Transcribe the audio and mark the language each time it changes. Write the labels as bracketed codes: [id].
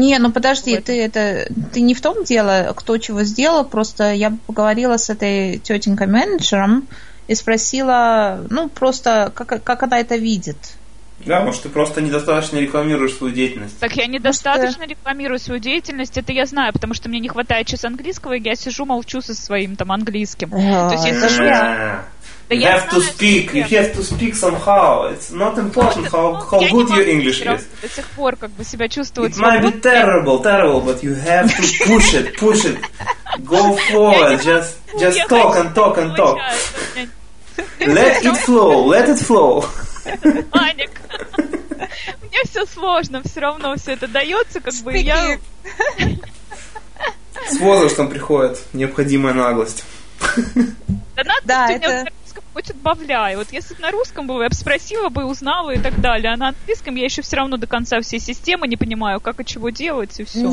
[ru] не, ну подожди, ты не в том дело, кто чего сделал, просто я поговорила с этой тетенькой-менеджером и спросила, ну, просто, как она это видит. Да, может, ты просто недостаточно рекламируешь свою деятельность. Так я недостаточно рекламирую свою деятельность, это я знаю, потому что мне не хватает часа английского, и я сижу, молчу со своим там английским. То есть я сижу... [en] You have to speak somehow. It's not important how good your English is. [ru] До сих пор как бы себя чувствую... [en] It might be terrible, but you have to push it. Go forward, just talk and talk and talk. Let it flow. [ru] Аник, мне все сложно, все равно все это дается, как бы я. С возрастом приходит необходимая наглость. Да надо, да, ты это... меня на русском хоть отбавляй. Вот если бы на русском было, я бы спросила бы, узнала и так далее. А на английском я еще все равно до конца всей системы не понимаю, как и чего делать, и все.